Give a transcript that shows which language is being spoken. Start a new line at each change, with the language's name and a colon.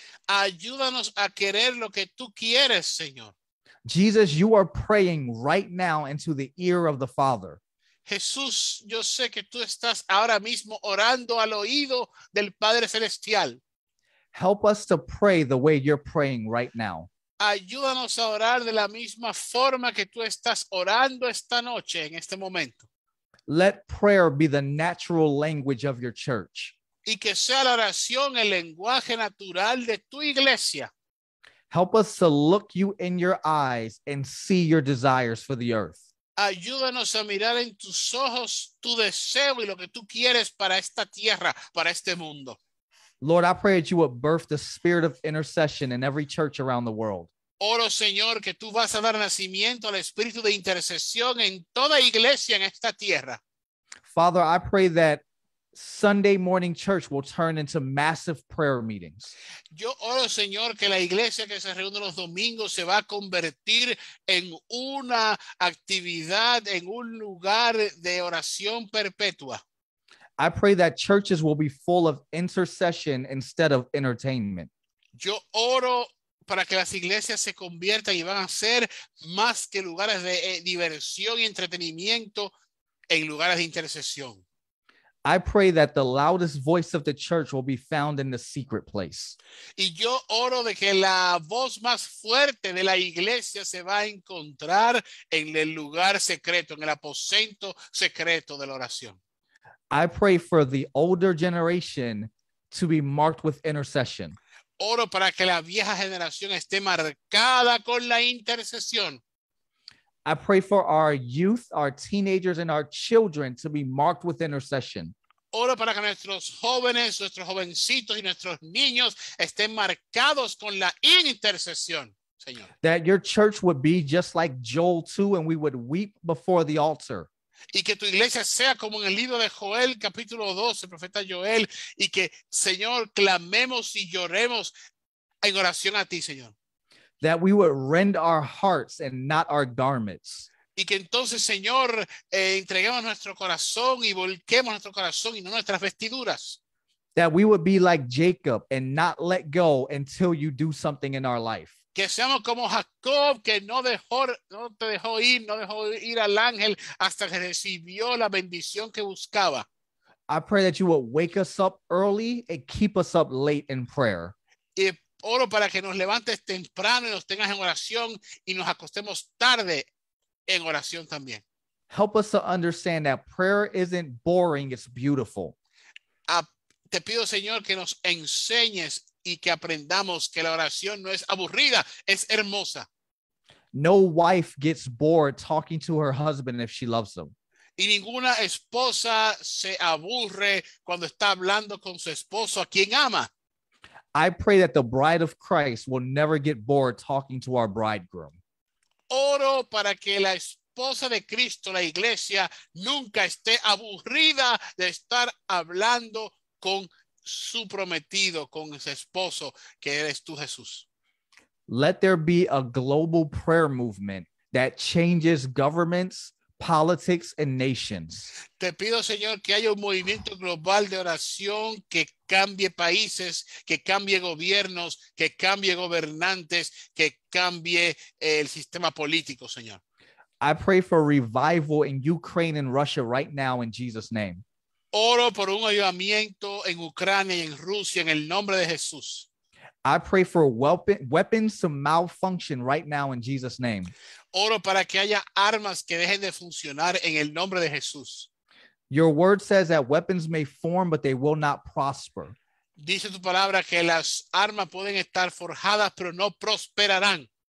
Spanish: Ayúdanos a querer lo que tú quieres, Señor.
English: Jesus, you are praying right now into the ear of the Father.
Spanish: Jesús, yo sé que tú estás ahora mismo orando al oído del Padre Celestial.
English: Help us to pray the way you're praying right now.
Spanish: Ayúdanos a orar de la misma forma que tú estás orando esta noche, en este momento.
English: Let prayer be the natural language of your church.
Spanish: Y que sea la oración el lenguaje natural de tu iglesia.
English: Help us to look you in your eyes and see your desires for the earth.
Spanish: Ayúdanos a mirar en tus ojos tu deseo y lo que tú quieres para esta tierra, para este mundo.
English: Lord, I pray that you would birth the spirit of intercession in every church around the world.
Spanish: Oro, Señor, que tú vas a dar nacimiento al espíritu de intercesión en toda iglesia en esta tierra.
English: Father, I pray that Sunday morning church will turn into massive prayer meetings.
Spanish: Yo oro, Señor, que la iglesia que se reúne los domingos se va a convertir en una actividad, en un lugar de oración perpetua.
English: I pray that churches will be full of intercession instead of entertainment.
Spanish: Yo oro para que las iglesias se conviertan y van a ser más que lugares de diversión y entretenimiento en lugares de intercesión.
English: I pray that the loudest voice of the church will be found in the secret place.
Spanish: Y yo oro de que la voz más fuerte de la iglesia se va a encontrar en el lugar secreto, en el aposento secreto de la oración.
English: I pray for the older generation to be marked with intercession.
Spanish: Oro para que la vieja generación esté marcada con la intercesión.
English: I pray for our youth, our teenagers, and our children to be marked with intercession.
Spanish: Oro para que nuestros jóvenes, nuestros jovencitos y nuestros niños estén marcados con la intercesión, Señor.
English: That your church would be just like Joel 2 and we would weep before the altar.
Spanish: Y que tu iglesia sea como en el libro de Joel, capítulo 2, el profeta Joel, y que, Señor, clamemos y lloremos en oración a ti, Señor.
English: That we would rend our hearts and not our garments.
Spanish: Y que entonces, Señor, entreguemos nuestro corazón y volquemos nuestro corazón y no nuestras vestiduras.
English: That we would be like Jacob and not let go until you do something in our life.
Spanish: Que seamos como Jacob, que no dejó ir al ángel hasta que recibió la bendición que buscaba.
English: I pray that you would wake us up early and keep us up late in prayer.
Spanish: Oro para que nos levantes temprano y nos tengas en oración y nos acostemos tarde en oración también.
English: help us to understand that prayer isn't boring, it's beautiful.
Spanish: Te pido, Señor, que nos enseñes y que aprendamos que la oración no es aburrida, es hermosa.
English: No wife gets bored talking to her husband if she loves him.
Spanish: Y ninguna esposa se aburre cuando está hablando con su esposo a quien ama.
English: I pray that the bride of Christ will never get bored talking to our bridegroom.
Spanish: Oro para que la esposa de Cristo, la iglesia, nunca esté aburrida de estar hablando con su prometido, con su esposo, que eres tú, Jesús.
English: Let there be a global prayer movement that changes governments, politics, and nations.
Spanish: Te pido, Señor, que haya un movimiento global de oración que cambie países, que cambie gobiernos, que cambie gobernantes, que cambie el sistema político, Señor.
English: I pray for revival in Ukraine and Russia right now in Jesus' name.
Spanish: Oro por un avivamiento en Ucrania y en Rusia en el nombre de Jesús.
English: I pray for weapons to malfunction right now in Jesus' name.
Spanish: Oro para que haya armas que dejen de funcionar en el nombre de Jesús.
English: Your word says that weapons may form, but they will not prosper.
Spanish: Dice tu palabra que las armas pueden estar forjadas, pero no prosperarán.